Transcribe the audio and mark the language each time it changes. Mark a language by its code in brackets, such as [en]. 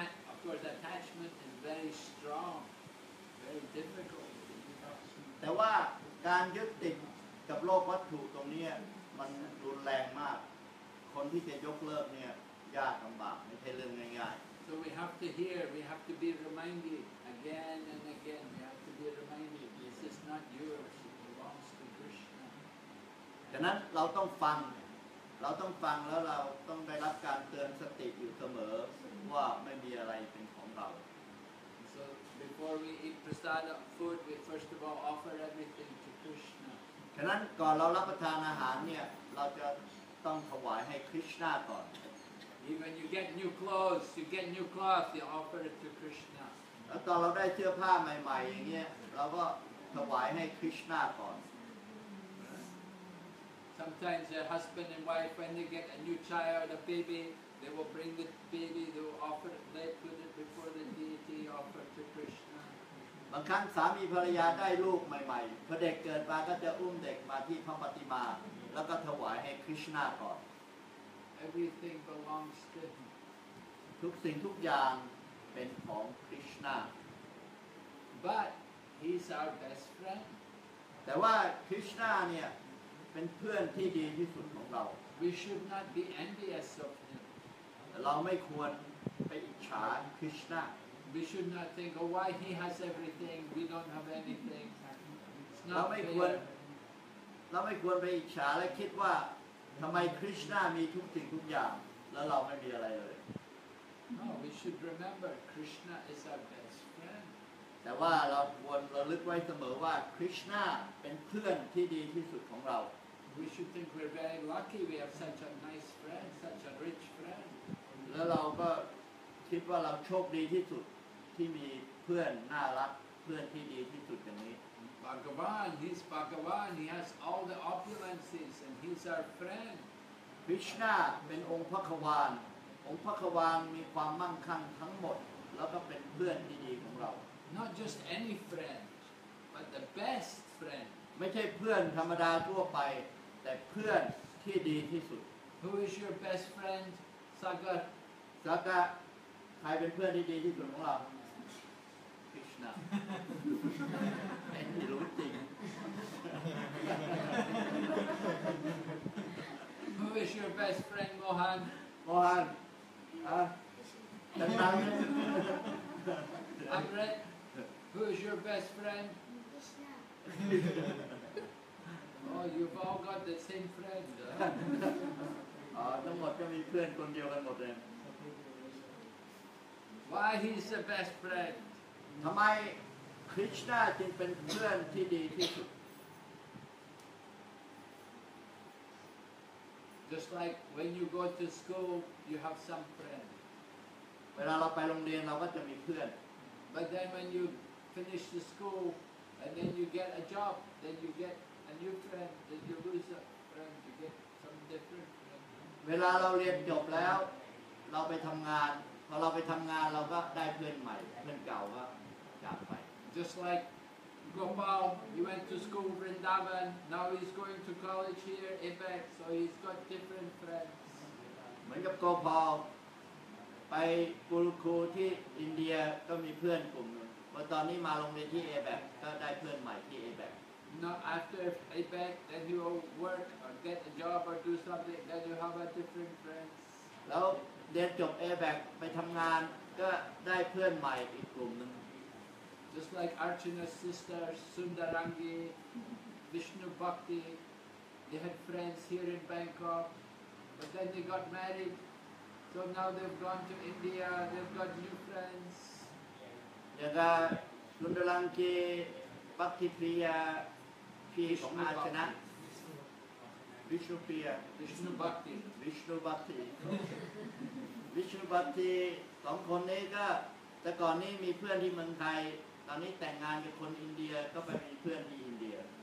[en] Of course, the attachment is very strong, very difficult. [th] แต่ว่าการยึดติดกับโลกวัตถุตรงนี้มันรุนแรงมากคนที่จะยกเลิกเนี่ยยากลำบากไม่ใช่เรื่องง่าย [en] ๆ So we have to hear, we have to be reminded again and again. We have to be reminded, this is not yours, it belongs to Krishna. [th] ฉะนั้นเราต้องฟังเราต้องฟังแล้วเราต้องได้รับการเตือนสติอยู่เสมอว่าไม่มีอะไรเป็นของเรา [en] So before we eat prasad food we first of all offer everything to Krishna [th] ฉะนั้นก่อนเรารับประทานอาหารเนี่ยเราจะต้องถวายให้คริสต์นาก่อน [en] Even you get new clothes you get new cloth you offer it to Krishna [th] แล้วตอนเราได้เสื้อผ้าใหม่ๆอย่างเงี้ยเราก็ถวายให้คริสต์นาก่อน [en] So Sometimes a husband and wife, when they get a new child, a baby, they will bring the baby, they will offer it, they put it before the deity, offer to Krishna. [th] บางครั้งสามีภรรยาได้ลูกใหม่ๆพอเด็กเกิดมาก็จะอุ้มเด็กมาที่พระปฏิมาแล้วก็ถวายให้คริชนาก่อน [en] Everything belongs to him. [th] ทุกสิ่งทุกอย่างเป็นของคริชนา [en] But he's our best friend. [th] แต่ว่าคริชนาเนี่ยเป็นเพื่อนที่ดีที่สุดของเรา [en] We should not be envious of him. [th] เราไม่ควรไปอิจฉาคริชนา [en] We should not think, oh, why he has everything, we don't have anything. It's not fair. [th] เราไม่ควรไปอิจฉาและคิดว่าทำไมคริชนามีทุกสิ่งทุกอย่างแล้วเราไม่มีอะไรเลย [en] No, we should remember Krishna is our best friend. [th] แต่ว่าเราควรระลึกไว้เสมอว่าคริชนาเป็นเพื่อนที่ดีที่สุดของเรา [en] We should think we're very lucky we have such a nice friend, such a rich friend. [th] แล้วเราก็คิดว่าเราโชคดีที่สุดที่มีเพื่อนน่ารักเพื่อนที่ดีที่สุดอย่างนี้ [en] Bhagavan he's Bhagavan he has all the opulences and he's our friend [th] Krishna เป็นองค์พระควานองค์พระควานมีความมั่งคั่งทั้งหมดแล้วก็เป็นเพื่อนที่ดีของเรา [en] not just any friend but the best friend [th] ไม่ใช่เพื่อนธรรมดาทั่วไปแต่เพื่อนที่ดีที่สุด [en] who is your best friend Saga [th] Saga ใครเป็นเพื่อนที่ดีที่สุดของเราเป็นรู้จริง [en] Who is your best friend, Mohan? Mohan, Amrit, who is your best friend? Krishna. Oh, you've all got the same friend. [th] ทั้งหมดก็มีเพื่อนคนเดียวกันหมดเลย [en] Why he's the best friend? [th] ทำไมคริชนาจึงเป็นเพื่อนที่ดีที่สุด [en] Just like when you go to school you have some friend [th] เวลาเราไปโรงเรียนเราก็จะมีเพื่อน [en] But then when you finish the school and then you get a job then you get a new friend then you lose a friend you get some different friend [th] เวลาเราเรียนจบแล้วเราไปทำงานพอเราไปทำงานเราก็ได้เพื่อนใหม่เพื่อนเก่าก็จากไป [en] Just like Gopal, he went to school Vrindavan, now he's going to college here, Apex, so he's got different friends. [th] เหมือนกับ Gopal ไปกุรุคูที่อินเดียก็มีเพื่อนกลุ่มนึงพอตอนนี้มาโรงเรียนที่ Apex ก็ได้เพื่อนใหม่ที่ Apex. [en] Now after Apex, then you will work or get a job or do something, then you have a different friends. [th] แล้วเรียนจบ A-Bag ไปทำงานก็ได้เพื่อนใหม่อีกกลุ่มนึง [en] Just like Archana's sister Sundarangi Vishnu Bhakti they had friends here in Bangkok but then they got married so now they've gone to India they've got new friends [th] อย่างก็ Sundarangi Bhakti Priya พี่ของ Archana Vishnu Priya Vishnu Bhakti Vishnu Bhakti วิชุบัตติสองคนนี้ก็แต่ก่อนนี้มีเพื่อนที่เมืองไทยตอนนี้แต่งงานกับคนอินเดียก็ไปมีเพื่อนที่อินเดีย